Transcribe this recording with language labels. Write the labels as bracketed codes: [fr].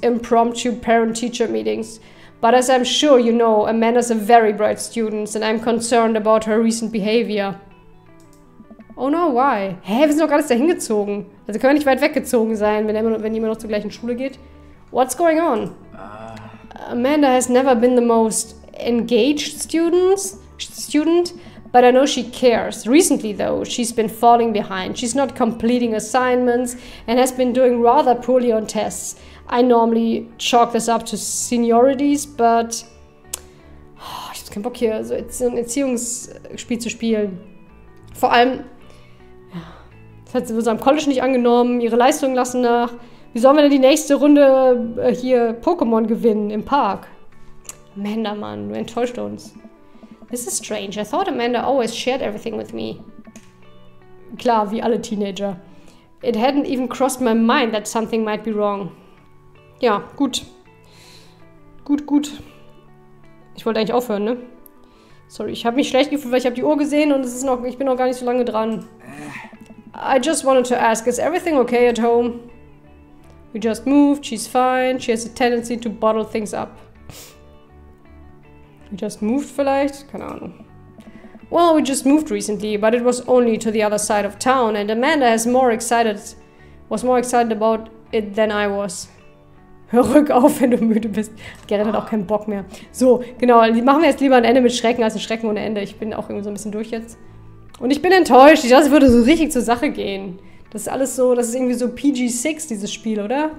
[en] impromptu parent-teacher meetings, but as I'm sure you know, Amanda's a very bright student, and I'm concerned about her recent behavior. Oh no, why? [de] Hä, wir sind doch gerade dahin gezogen. Also können wir nicht weit weggezogen sein, wenn jemand noch zur gleichen Schule geht. [en] What's going on? Amanda has never been the most engaged student, but I know she cares. Recently, though, she's been falling behind. She's not completing assignments and has been doing rather poorly on tests. I normally chalk this up to seniorities, but... [de] Oh, ich hab keinen Bock hier, so ein Erziehungsspiel zu spielen. Vor allem, das hat sie wohl so am College nicht angenommen, ihre Leistungen lassen nach. Wie sollen wir denn die nächste Runde hier Pokémon gewinnen im Park? Amanda, Mann, du enttäuscht uns. [en] This is strange. I thought Amanda always shared everything with me. [de] Klar, wie alle Teenager. [en] It hadn't even crossed my mind that something might be wrong. [de] Ja, gut. Gut. Ich wollte eigentlich aufhören, ne? Sorry, ich habe mich schlecht gefühlt, weil ich habe die Uhr gesehen und ich bin noch gar nicht so lange dran. [en] I just wanted to ask, is everything okay at home? We just moved, she's fine, she has a tendency to bottle things up. We just moved [de] vielleicht? Keine Ahnung. [en] Well, we just moved recently, but it was only to the other side of town, and Amanda was more excited about it than I was. [de] Hör rück auf, wenn du müde bist. Gerrit hat auch keinen Bock mehr. So, genau, machen wir jetzt lieber ein Ende mit Schrecken als ein Schrecken ohne Ende. Ich bin auch irgendwie so ein bisschen durch jetzt. Und ich bin enttäuscht, ich dachte, es würde so richtig zur Sache gehen. Das ist alles so, das ist irgendwie so PG-6, dieses Spiel, oder?